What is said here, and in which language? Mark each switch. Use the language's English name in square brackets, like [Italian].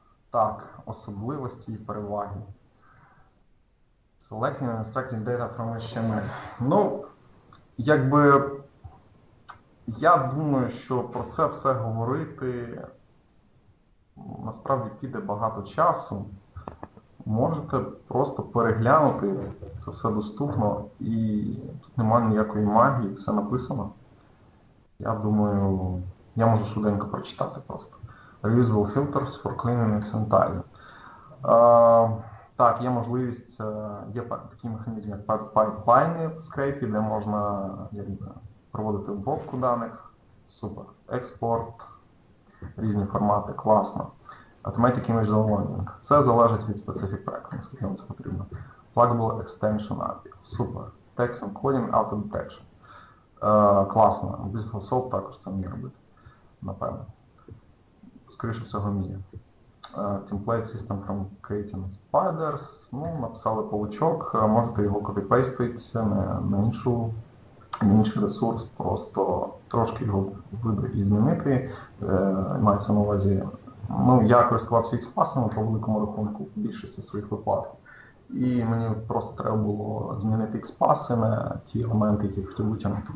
[Ukrainian] Так, особливості і переваги. [English] Selecting and extracting data from HTML. [Ukrainian] Ну, якби, я думаю, що про це все говорити насправді піде багато часу. Можете просто переглянути, це все доступно, і тут немає ніякої магії, все написано. Я думаю, я можу швиденько прочитати просто. [English] Reusable filters for cleaning and sanitizing. [Ukrainian] Так, є можливість, є такий механізм, як pipeline в скрепі, де можна проводити обробку даних. Супер. Експорт, різні формати, класно. [English] Automatic Image Downloading. [Ukrainian] Це залежить від специфік проекту, наскільки вам це потрібно. [English] Pluggable Extension API. [Ukrainian] Супер. [English] Text Encoding Auto Detection. [Ukrainian] Класно. Beautiful Soap також це вміє робити. Напевно. Скоріше всього, вміє. [English] Template System from Creating Spiders. [Ukrainian] Ну, написали паучок. Можете його копіпейстити на інший ресурс, просто трошки його вибрати і змінити. Мається на увазі, ну, я користувався X-пасами по великому рахунку в більшості своїх випадків. І мені просто треба було змінити X-паси на ті елементи, які хотів витягнути.